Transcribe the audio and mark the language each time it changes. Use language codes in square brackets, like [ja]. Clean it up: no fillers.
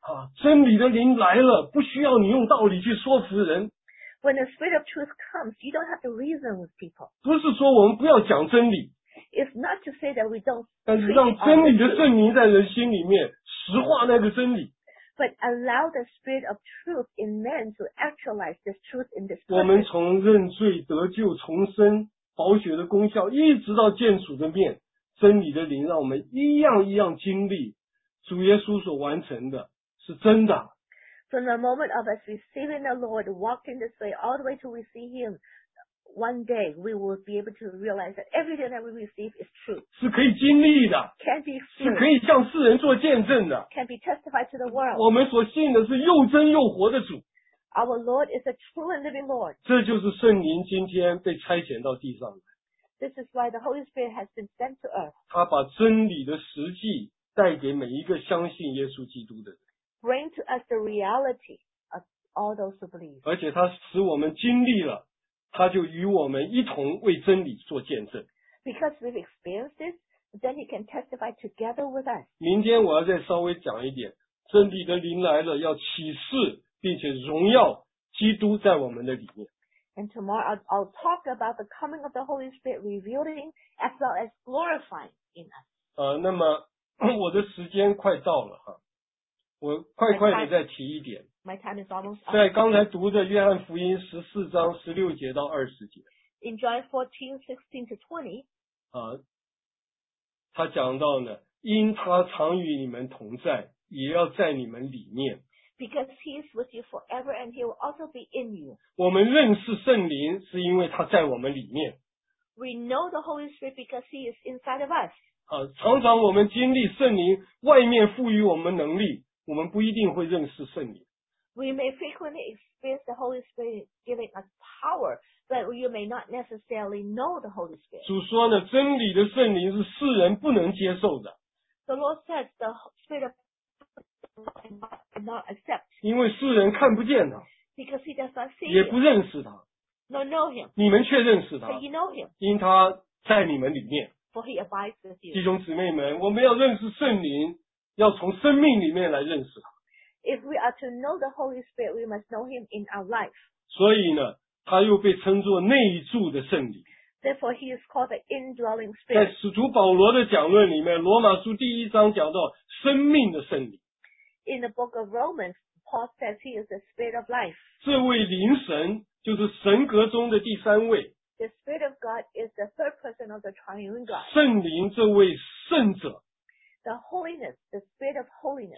[zh] 啊，真理的灵来了，不需要你用道理去说服人。 [en] When the spirit of truth comes, you don't have to reason with people. [zh] 不是说我们不要讲真理。 [en] It's not to say that we don't. [zh] 但是让真理的圣灵在人心里面实化那个真理。 [en] But allow the spirit of truth in men to actualize this truth in this person. [zh] 我们从认罪得救重生宝血的功效，一直到见主的面，真理的灵让我们一样一样经历主耶稣所完成的是真的。 [en] From the moment of us receiving the Lord, walking this way, all the way till we see Him, one day we will be able to realize that everything that we receive is true. [zh] 是可以经历的。 [en] Can be true. [zh] 是可以向世人做见证的。 [en] Can be testified to the world. [zh] 我们所信的是又真又活的主。 [en] Our Lord is a true and living Lord. [zh] 这就是圣灵今天被差遣到地上来。 [en] This is why the Holy Spirit has been sent to earth. [zh] 他把真理的实际带给每一个相信耶稣基督的人。 [en] Bring to us the reality of all those who believe. [zh] 而且他使我们经历了，他就与我们一同为真理做见证。 [en] Because we've experienced this, then he can testify together with us. [zh] 明天我要再稍微讲一点，真理的灵来了，要启示并且荣耀基督在我们的里面。 [en] And tomorrow I'll talk about the coming of the Holy Spirit revealing as well as glorifying in us. [zh] 那么我的时间快到了哈。我快快的再提一点，在刚才读的约翰福音十四章十六节到二十节 [en] ，In John 14:16-20， [zh] 他讲到呢，因他常与你们同在，也要在你们里面。 [en] Because he is with you forever, and he will also be in you. [zh] 我们认识圣灵是因为他在我们里面。 [en] We know the Holy Spirit because he is inside of us. [zh] 常常我们经历圣灵外面赋予我们能力。我们不一定会认识圣灵。 [en] We may frequently experience the Holy Spirit giving us power, but you may not necessarily know the Holy Spirit. [zh] 主说呢，真理的圣灵是世人不能接受的。 [en] The Lord says the Spirit of cannot accept. [zh] 因为世人看不见他。 [en] Because he does not see. [zh] 也不认识他。 [en] Nor know him. [zh] 你们却认识他。 [en] But you know him. [zh] 因他在你们里面。 [en] For he abides with you. [zh] 弟兄姊妹们，我们要认识圣灵。要从生命里面来认识他。 [en] If we are to know the Holy Spirit, we must know Him in our life. [zh] 所以呢，他又被称作内住的圣灵。 [en] Therefore, He is called the indwelling Spirit. [zh] 在使徒保罗的讲论里面，罗马书第一章讲到生命的圣灵。 [en] In the book of Romans, Paul says He is the Spirit of life. [zh] 这位灵神就是神格中的第三位。 [en] The Spirit of God is the third person of the Triune God. [zh] 圣灵这位圣者。 [en] The holiness, the spirit of holiness.